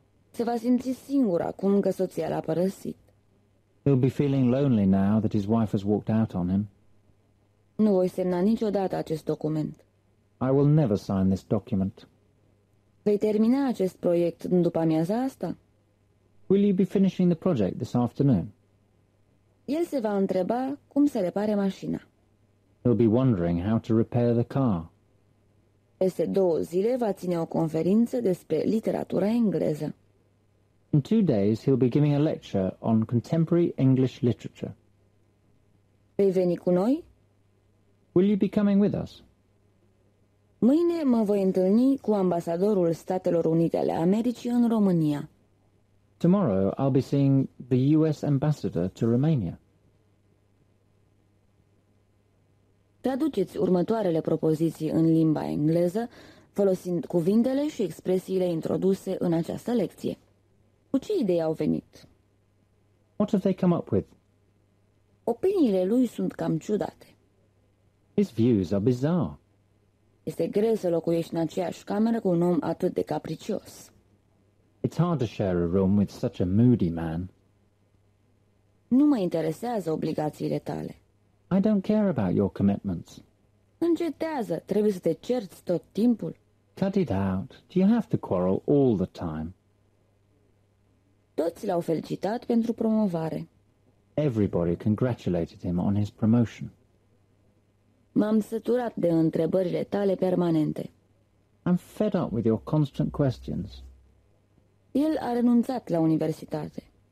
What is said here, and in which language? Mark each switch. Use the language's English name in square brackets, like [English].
[Romanian] Se va simți singur acum că soția l-a părăsit. [English] He'll be feeling lonely now that his wife has walked out on him. [Romanian] Nu voi semna niciodată acest document. [English] I will never sign this document. [Romanian] Vei termina acest proiect în după-amiaza asta? [English] Will you be finishing the project this afternoon? [Romanian] El se va întreba cum să repare mașina. [English] He'll be wondering how to repair the car. [Romanian] Peste două zile va ține o conferință despre literatura engleză. [English] In 2 days he'll be giving a lecture on contemporary English literature. [Romanian] Vei veni cu noi? [English] Will you be coming with us? [Romanian] Mâine mă voi întâlni cu ambasadorul Statelor Unite ale Americii în România. [English] Tomorrow I'll be seeing the US ambassador to Romania. [Romanian] Traduceți următoarele propoziții în limba engleză, folosind cuvintele și expresiile introduse în această lecție. Cu ce idei au venit? [English] What have they come up with? [Romanian] Opiniile lui sunt cam ciudate. [English] His views are bizarre. [Romanian] Este greu să locuiești în aceeași cameră cu un om atât de capricios. [English] It's hard to share a room with such a moody man. [Romanian] Nu mă interesează obligațiile tale. [English] I don't care about your commitments. [Romanian] Încetează, trebuie să te cerți tot timpul. [English] Cut it out. Do you have to quarrel all the time? [Romanian] Toți l-au felicitat pentru promovare. [English] Everybody congratulated him on his promotion. [Romanian] M-am săturat de întrebările tale permanente. [English] I'm fed up with your constant questions. [Romanian] El a renunțat la universitate.